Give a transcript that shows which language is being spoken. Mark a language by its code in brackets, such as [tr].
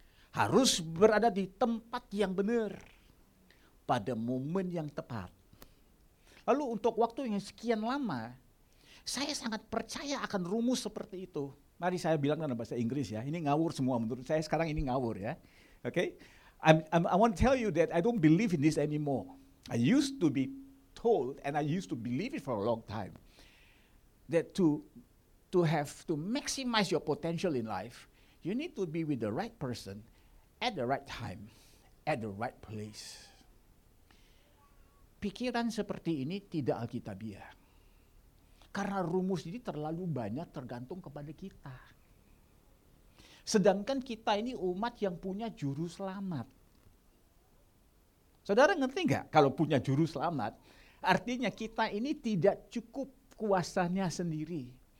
[id] Harus berada di tempat yang benar. Pada momen yang tepat. Lalu untuk waktu yang sekian lama, saya sangat percaya akan rumus seperti itu. Mari saya bilang dalam bahasa Inggris ya. Ini ngawur semua menurut saya. Sekarang ini ngawur ya. Okay? [en] I want to tell you that I don't believe in this anymore. I used to be told and I used to believe it for a long time. That to maximize your potential in life, you need to be with the right person at the right time, at the right place. [id] Pikiran seperti ini tidak alkitabiah. Karena rumus ini terlalu banyak tergantung kepada kita. Sedangkan kita ini umat yang punya juru selamat. Saudara ngerti enggak? Kalau punya juru selamat, artinya kita ini tidak cukup kuasanya sendiri.